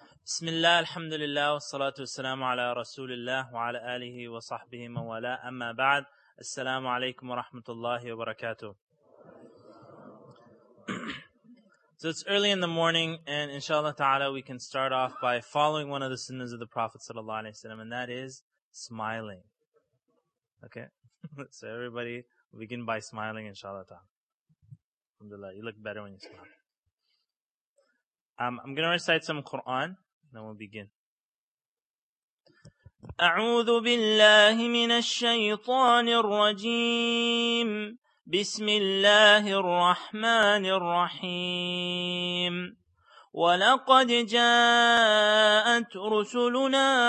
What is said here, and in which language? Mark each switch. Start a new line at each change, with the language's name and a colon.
Arabic: بسم الله، الحمد لله، والصلاة والسلام على رسول الله وعلى آله وصحبه موالاه. أما بعد، السلام عليكم ورحمة الله وبركاته.
English: So it's early in the morning, and inshallah ta'ala, we can start off by following one of the sunnahs of the Prophet sallallahu alayhi wa sallam, and that is smiling. Okay? So everybody, begin by smiling inshallah ta'ala. Alhamdulillah, you look better when you smile. I'm going to recite some Quran, then we'll begin.
Arabic: أعوذ بالله من الشيطان الرجيم بسم الله الرحمن الرحيم ولقد جاءت رسلنا